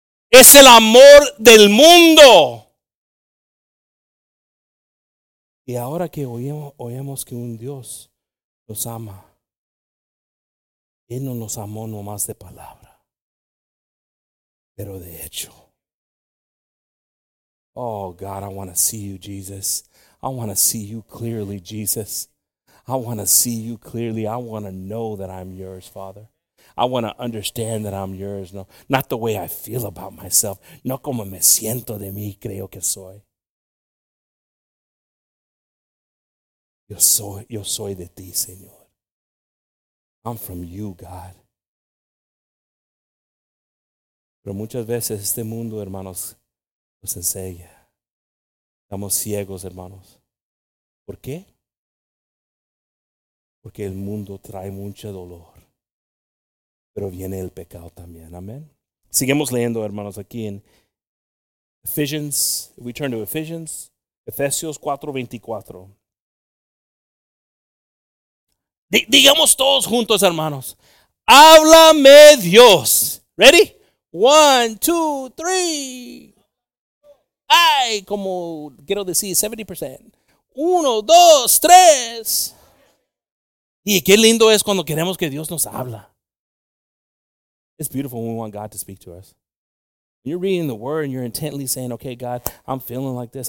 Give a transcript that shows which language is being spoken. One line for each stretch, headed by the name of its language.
Spanish: Es el amor del mundo. Y ahora que oímos que un Dios nos ama, Él no nos amó nomás de palabra, pero de hecho.
English: Oh, God, I want to see you, Jesus. I want to see you clearly, Jesus. I want to see you clearly. I want to know that I'm yours, Father. I want to understand that I'm yours. No, not the way I feel about myself.
Spanish: No como me siento de mí, creo que soy. Yo soy de ti, Señor.
English: I'm from you, God.
Spanish: Pero muchas veces este mundo, hermanos, nos enseña. Estamos ciegos, hermanos. ¿Por qué? Porque el mundo trae mucho dolor. Pero viene el pecado también. Amén. Seguimos leyendo, hermanos, aquí en Ephesians.
English: We turn to Ephesians. Efesios 4:24.
Spanish: Digamos todos juntos, hermanos. Háblame, Dios. Ready? 1, 2, 3. Ay, como quiero decir, 70%. 1, 2, 3. Y qué lindo es cuando queremos que Dios nos habla.
English: It's beautiful when we want God to speak to us. When you're reading the word and you're intently saying, okay, God, I'm feeling like this.